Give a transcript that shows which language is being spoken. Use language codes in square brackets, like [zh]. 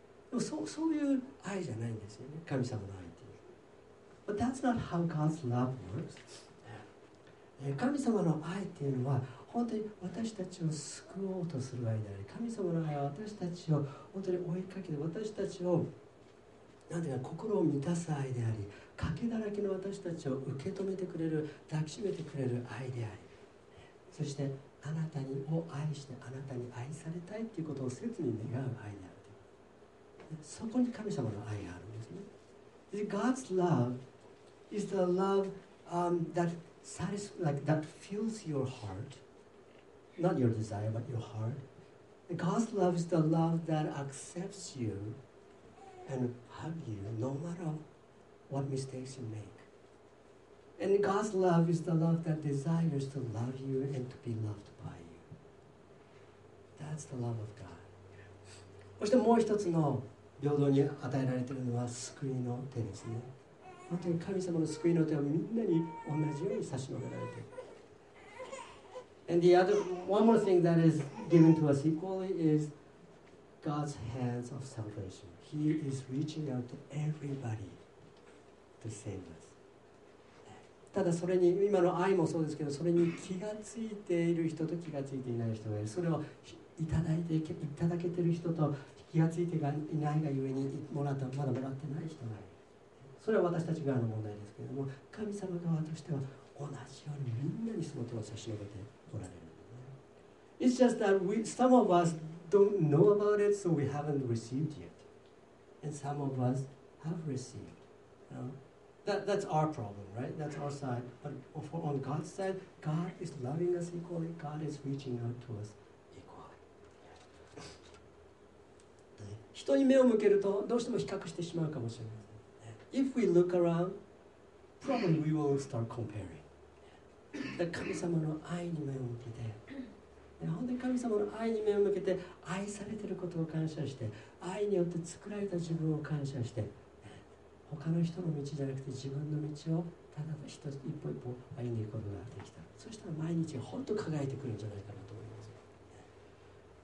[ja] でもそういう愛じゃないんですよね、神様の愛っていう。 [en] But that's not how God's love works. [ja] 神様の愛っていうのは本当に私たちを救おうとする愛であり、神様の愛は私たちを本当に追いかけて、私たちをなんていうか心を満たす愛であり、賭けだらけの私たちを受け止めてくれる、抱きしめてくれる愛であり、そしてあなたにを愛してあなたに愛されたいということを切に願う愛である。そこに神様の愛があるんですね。 [en] God's love is the love that satisfies, like that fills your heart, not your desire, but your heart. God's love is the love that accepts you and hugs you no matter what mistakes you make. And God's love is the love that desires to love you and to be loved by you. That's the love of God. [ja] そしてもう一つの平等に与えられているのは救いの手ですね。本当に神様の救いの手はみんなに同じように差し伸べられている。 [en] And the other, one more thing that is given to us equally is God's hands of salvation. He is reaching out to everybody to save us. [ja] ただそれに今の愛もそうですけど、それに気がついている人と気がついていない人がいる。それをいただけている人と気がついていないがゆえにもらった、まだもらってない人がいる。それは私たち側の問題ですけれども、神様側としては同じようにみんなにその手を差し伸べておられる、ね、 [en] It's just that some of us don't know about it, so we haven't received yet. And some of us have received, you know? That's our problem, right? That's our side. But on God's side, God is loving us equally. God is reaching out to us equally. [ja] 人に目を向けるとどうしても比較してしまうかもしれません。 [en] If we look around, probably we will start comparing. [ja] 神様の愛に目を向けて、本当に神様の愛に目を向けて、愛されていることを感謝して、愛によって作られた自分を感謝して、他の人の道じゃなくて自分の道をただ一歩一歩歩んでいくことができた。そしたら毎日本当輝いてくるんじゃないかなと思います。